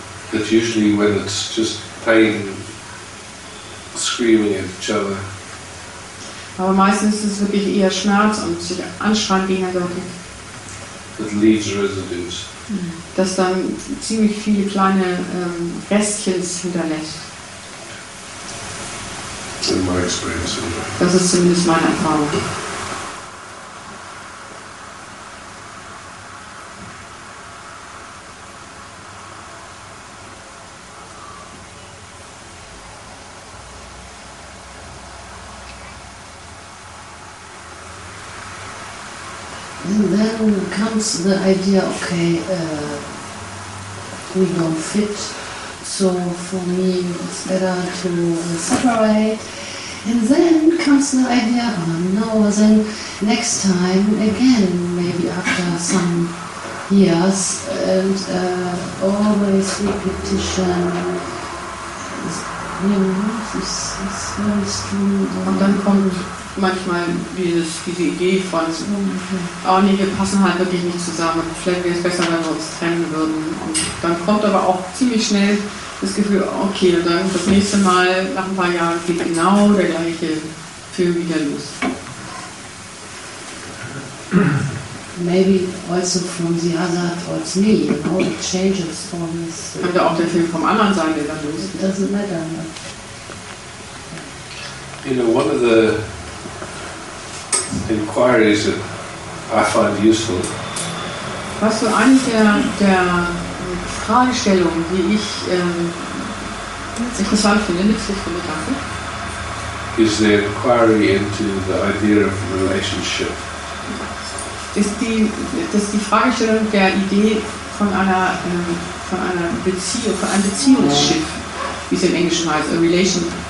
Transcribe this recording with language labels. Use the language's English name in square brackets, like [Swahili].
[English] But usually when it's just pain, screaming at each other. [German] Aber meistens ist es wirklich eher Schmerz und sich anschreien gegenseitig. [English] That leaves residues. [German] Das dann ziemlich viele kleine Restchen hinterlässt. [English] In my experience. [German] Das ist zumindest meine Erfahrung. [English] And then comes the idea, okay, we don't fit, so for me it's better to separate. And then comes the idea, no, then next time again, maybe after some years, and always repetition. [German] Ja, das ist und dann kommt manchmal diese Idee von, oh nee, wir passen halt wirklich nicht zusammen, vielleicht wäre es besser, wenn wir uns trennen würden. Und dann kommt aber auch ziemlich schnell das Gefühl, okay, und dann das nächste Mal nach ein paar Jahren geht genau der gleiche Film wieder los. [English] Maybe also from the other towards me, you know, it changes from this. [German] Könnte auch der Film vom anderen sein, der dann los. [English] It doesn't matter. No. You know, one of the inquiries that I find useful. [German] Was so eine der Fragestellungen, die ich interessant finde, nützlich finde, danke. [English] Is the inquiry into the idea of relationship. [German] Ist die Fragestellung der Idee von einer Beziehung, von einem Beziehungsschiff, wie es im Englischen heißt, [English] a relationship.